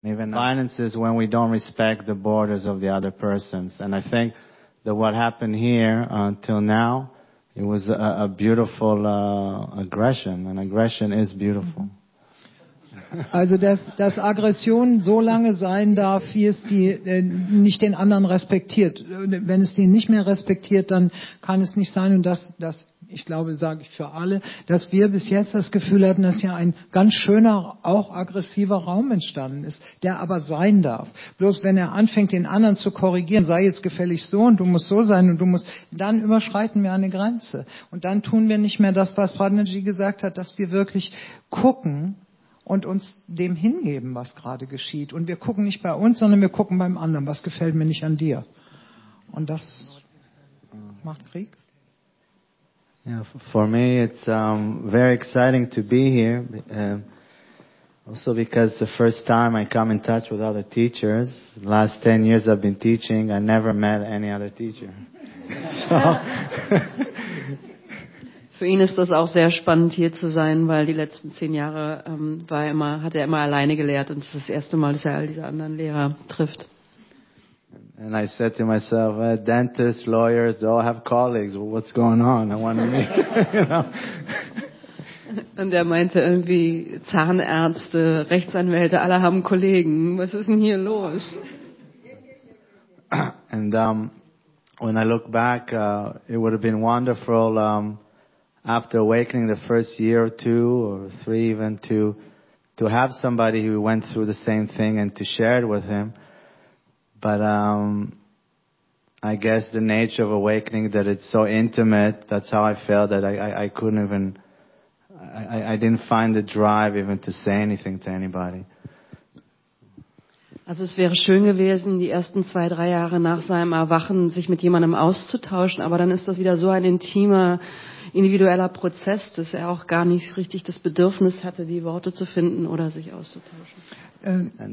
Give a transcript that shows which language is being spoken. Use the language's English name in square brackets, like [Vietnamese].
[English] Even violence is when we don't respect the borders of the other persons. And I think that what happened here until now, it was a beautiful aggression. And aggression is beautiful. [German] Also dass Aggression so lange sein darf, wie es die nicht den anderen respektiert. Wenn es den nicht mehr respektiert, dann kann es nicht sein. Und das ich glaube, sage ich für alle, dass wir bis jetzt das Gefühl hatten, dass hier ein ganz schöner, auch aggressiver Raum entstanden ist, der aber sein darf. Bloß wenn er anfängt, den anderen zu korrigieren, sei jetzt gefällig so und du musst so sein und du musst, dann überschreiten wir eine Grenze. Und dann tun wir nicht mehr das, was Padmaji gesagt hat, dass wir wirklich gucken und uns dem hingeben, was gerade geschieht. Und wir gucken nicht bei uns, sondern wir gucken beim anderen. Was gefällt mir nicht an dir? Und das macht Krieg. [English] Yeah, for me it's very exciting to be here, also because the first time I come in touch with other teachers, last 10 years I've been teaching, I never met any other teacher. So. [German] Für ihn ist das auch sehr spannend hier zu sein, weil die letzten 10 Jahre hat er immer alleine gelehrt und es ist das erste Mal, dass er all diese anderen Lehrer trifft. [English] And I said to myself, dentists, lawyers, they all have colleagues. Well, what's going on? I want to make, you know. [German] Und er meinte irgendwie, Zahnärzte, Rechtsanwälte, alle haben Kollegen. Was ist denn hier los? [English] And when I look back, it would have been wonderful after awakening the first year or two or three even to have somebody who went through the same thing and to share it with him. But I guess the nature of awakening, that it's so intimate, that's how I felt, that I didn't find the drive even to say anything to anybody. [German] Also es wäre schön gewesen, die ersten 2-3 Jahre nach seinem Erwachen sich mit jemandem auszutauschen, aber dann ist das wieder so ein intimer, individueller Prozess, dass er auch gar nicht richtig das Bedürfnis hatte, die Worte zu finden oder sich auszutauschen.